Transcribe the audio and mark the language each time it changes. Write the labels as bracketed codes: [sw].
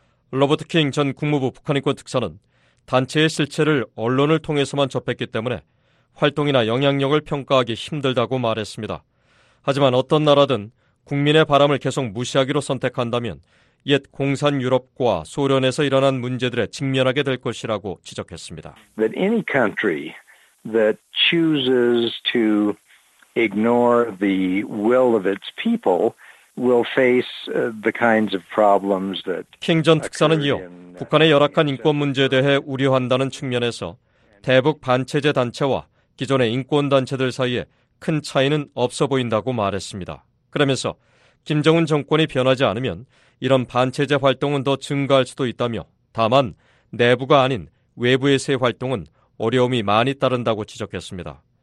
[ko] 로버트 킹 전 국무부 북한인권 특사는 단체의 실체를 언론을 통해서만 접했기 때문에 활동이나 영향력을 평가하기 힘들다고 말했습니다. 하지만 어떤 나라든 국민의 바람을 계속 무시하기로 선택한다면 옛 공산 유럽과 소련에서 일어난 문제들에 직면하게 될 것이라고 지적했습니다. [en] That any country that chooses to ignore the will of its people will face the kinds of problems that [ko] 킹 전 특사는 이어 북한의 열악한 인권 문제에 대해 우려한다는 측면에서 대북 반체제 단체와 기존의 인권단체들 사이에 큰 차이는 없어 보인다고 말했습니다. 그러면서 김정은 정권이 변하지 않으면 이런 반체제 활동은 더 증가할 수도 있다며 다만 내부가 아닌 외부에서의 활동은 어려움이 많이 따른다고 지적했습니다.